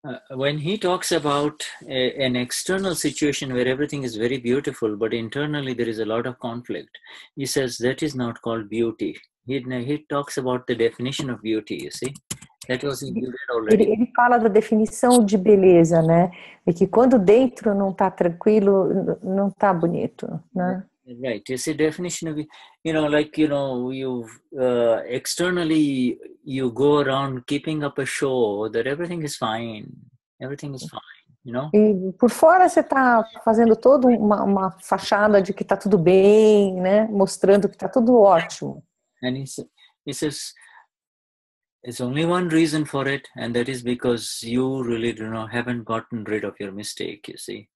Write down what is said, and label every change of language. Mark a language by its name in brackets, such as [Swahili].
[English] When he talks about an external situation where everything is very beautiful, but internally there is a lot of conflict, he says that is not called beauty. He talks about the definition of beauty, you see. That was included already. [Portuguese] Ele fala da definição de beleza, né? E que quando dentro não está tranquilo, não está bonito, né? [English] Right, it's a definition of, you know, like, you know, externally you go around keeping up a show that everything is fine, you know? [Portuguese] E por fora você está fazendo toda uma fachada de que está tudo bem, né? Mostrando que está tudo ótimo. [English] And he says, there's only one reason for it, and that is because you really, you know, haven't gotten rid of your mistake, you see?